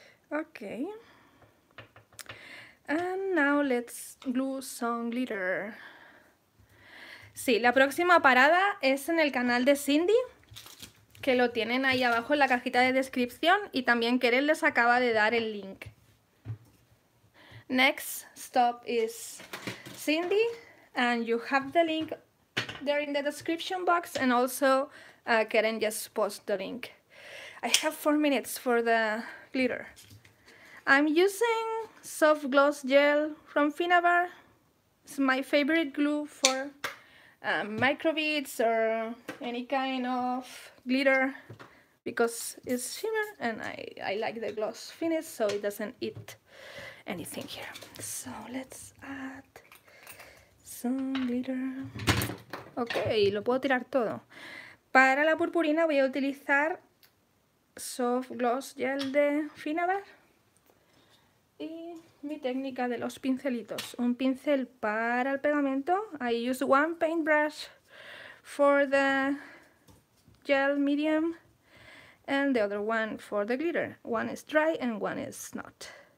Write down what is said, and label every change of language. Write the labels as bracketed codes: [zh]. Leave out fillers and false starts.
[en] Ok. And now let's glue some glitter. [es] Sí, la próxima parada es en el canal de Cindy, que lo tienen ahí abajo en la cajita de descripción, y también Keren les acaba de dar el link. [en] Next stop is Cindy, and you have the link there in the description box, and also Keren just post the link. I have 4 minutes for the glitter. I'm using soft gloss gel from Finavar. It's my favorite glue for microbeads or any kind of glitter, because it's shimmer and I like the gloss finish, so it doesn't eat anything here. So let's add some glitter. [es] Okay, lo puedo tirar todo. Para la purpurina voy a utilizar soft gloss gel de Finavar y mi técnica de los pincelitos. Un pincel para el pegamento. [en] I use one paintbrush for the gel medium and the other one for the glitter. One is dry and one is not.